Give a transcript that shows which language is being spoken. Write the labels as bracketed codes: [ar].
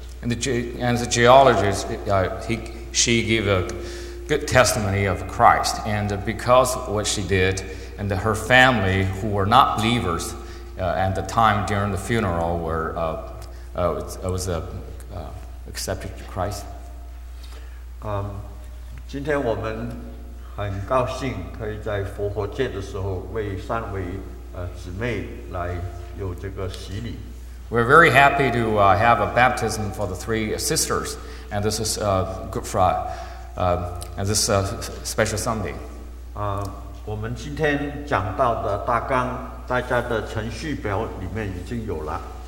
[en] And the geologist, she gave a good testimony of Christ, and because of what she did, and her family who were not believers at the time during the funeral were accepted Christ. [zh] 今天我们很高兴可以在复活节的时候为三位姊妹来有这个洗礼。 [en] We're very happy to have a baptism for the three sisters, and this is Good Friday, and this special Sunday. [zh] 我们今天讲到的大纲，大家的程序表里面已经有了。